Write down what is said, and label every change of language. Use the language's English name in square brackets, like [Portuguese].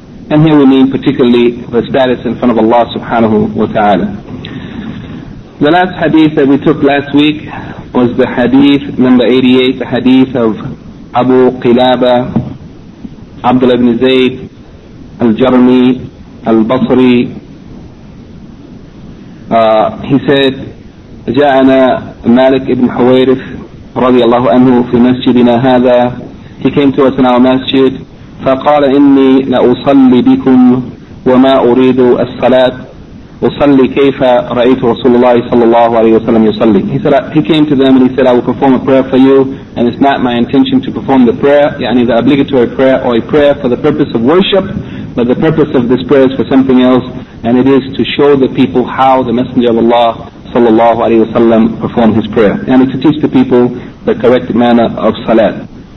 [English] And here we mean particularly the status in front of Allah subhanahu wa ta'ala. The last hadith that we took last week was the hadith number 88, the hadith of Abu Qilaba, Abdullah ibn Zayd, Al-Jarmi, Al-Basri. He said, [Arabic] جاءنا مالك ابن حويرث رضي الله عنه في مسجدنا هذا. [English] He came to us in our masjid. [Arabic] فقال إني لأصلي بكم وما أريد الصلاة. وصلي كيف رأيت رسول الله صلى الله عليه وسلم يصلي. [English] He said, he came to them and he said, I will perform a prayer for you, and it's not my intention to perform the prayer, يعني the obligatory prayer or a prayer for the purpose of worship, but the purpose of this prayer is for something else, and it is to show the people how the Messenger of Allah صلى الله عليه وسلم performed his prayer, and to teach the people the correct manner of salat.